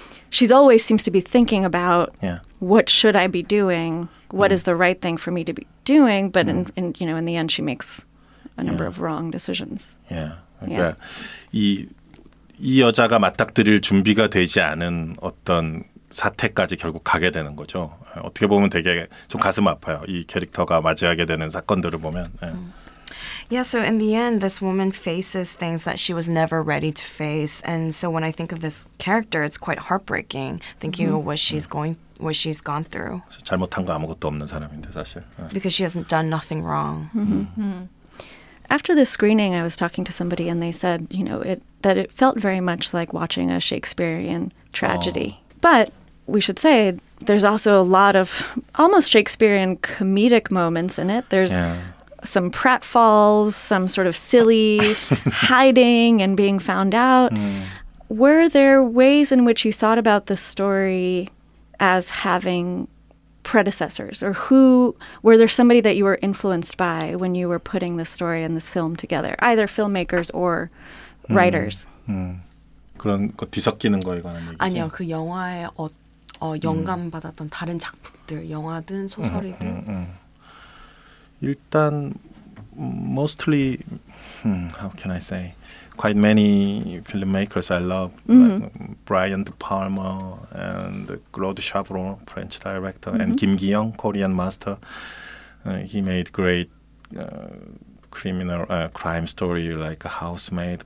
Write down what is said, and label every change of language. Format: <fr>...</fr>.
<en>She's always seems to be thinking about what should I be doing? What is the right thing for me to be doing? But in you know, in the end, she makes a number of wrong decisions. Yeah.</en> <ko>그러니까 이 여자가 맞닥뜨릴 준비가 되지 않은 어떤 사태까지 결국 가게 되는 거죠. 어떻게 보면 되게 좀 가슴 아파요. 이 캐릭터가 맞이하게 되는 사건들을 보면.</ko> <en>Yeah, so in the end, this woman faces things that she was never ready to face. And so when I think of this character, it's quite heartbreaking thinking of what she's gone through.</en> <ko>잘못한 거 아무것도 없는 사람인데, 사실.</ko> <en>Because she hasn't done nothing wrong. After the screening, I was talking to somebody and they said, you know, that it felt very much like watching a Shakespearean tragedy. But we should say there's also a lot of almost Shakespearean comedic moments in it. There's some pratfalls, some sort of silly hiding and being found out. Were there ways in which you thought about the story as having predecessors? Or who, were there somebody that you were influenced by when you were putting this story and this film together? Either filmmakers or writers.</en> <ko>그런 거 뒤섞이는 거에 관한 얘기죠? 아니요. 그 영화에 영감 받았던 다른 작품들, 영화든 소설이든. 일단</ko> <en>mostly, how can I say, quite many filmmakers I love, like Brian De Palma and Claude Chabrol, French director, and Kim Ki-young, Korean master. He made great crime story like A Housemaid.</en>